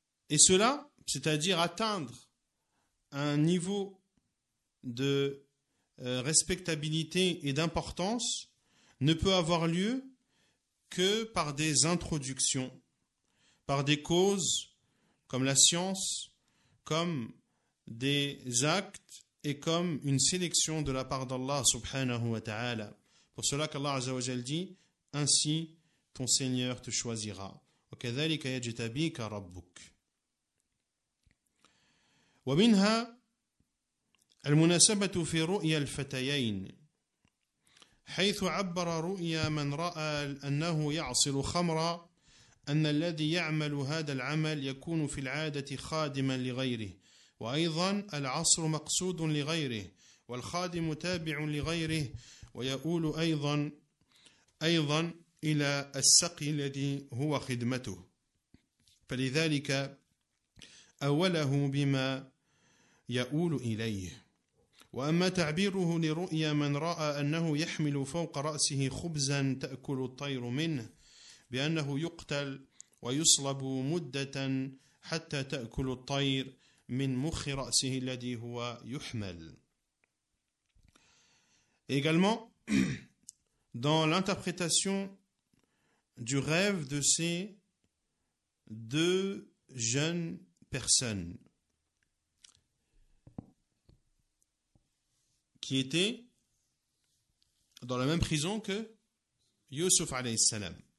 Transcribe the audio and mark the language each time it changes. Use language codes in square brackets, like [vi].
[fr] Et cela, c'est-à-dire atteindre un niveau de respectabilité et d'importance, ne peut avoir lieu que par des introductions, par des causes comme la science, comme des actes et comme une sélection de la part d'Allah subhanahu wa ta'ala. Pour cela qu'Allah azza wa jal dit, ainsi ton Seigneur te choisira. [ar] Wa kadhalika yajtabika rabbuk. Wa minha المناسبة في رؤيا الفتيين حيث عبر رؤيا من رأى أنه يعصر خمرا أن الذي يعمل هذا العمل يكون في العادة خادما لغيره وأيضا العصر مقصود لغيره والخادم تابع لغيره ويؤول أيضا إلى السقي الذي هو خدمته فلذلك أوله بما يؤول إليه وأما تعبيره لرؤيا من رأى أنه يحمل فوق رأسه خبزا تأكل الطير منه بأنه يقتل ويصلب مدة حتى تأكل الطير من مخ رأسه الذي هو يحمل. [fr] Également, dans l'interprétation du rêve de ces deux jeunes personnes, qui était dans la même prison que Yusuf alayhi salam.